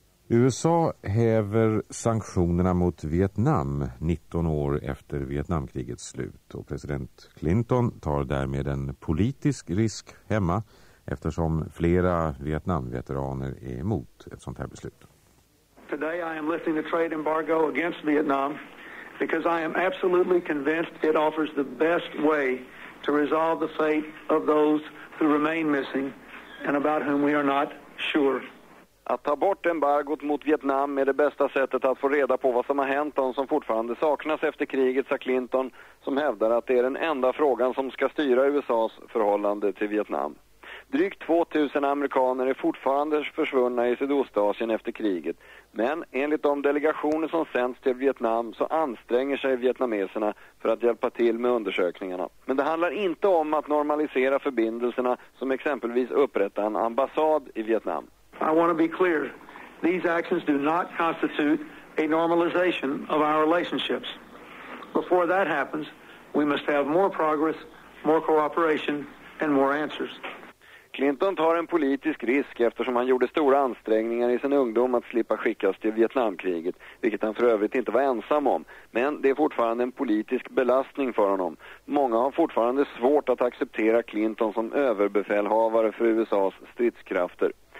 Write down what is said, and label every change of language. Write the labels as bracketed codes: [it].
[sv] USA häver sanktionerna mot Vietnam 19 år efter Vietnamkrigets slut. Och president Clinton tar därmed en politisk risk hemma eftersom flera Vietnamveteraner är emot ett sånt här beslut. [en] Today I am lifting the trade embargo against Vietnam because I am absolutely convinced it offers the best way to resolve the fate of those who remain missing and about whom we are not sure. [sv] Att ta bort embargot mot Vietnam är det bästa sättet att få reda på vad som har hänt de som fortfarande saknas efter kriget, sa Clinton, som hävdar att det är den enda frågan som ska styra USA:s förhållande till Vietnam. Drygt 2000 amerikaner är fortfarande försvunna i Sydostasien efter kriget. Men enligt de delegationer som sänds till Vietnam så anstränger sig vietnameserna för att hjälpa till med undersökningarna. Men det handlar inte om att normalisera förbindelserna som exempelvis upprätta en ambassad i Vietnam. [en] I want to be clear. These actions do not constitute a normalization of our relationships. Before that happens, we must have more progress, more cooperation and more answers. [sv] Clinton tar en politisk risk eftersom han gjorde stora ansträngningar i sin ungdom att slippa skickas till Vietnamkriget, vilket han för övrigt inte var ensam om. Men det är fortfarande en politisk belastning för honom. Många har fortfarande svårt att acceptera Clinton som överbefälhavare för USAs stridskrafter.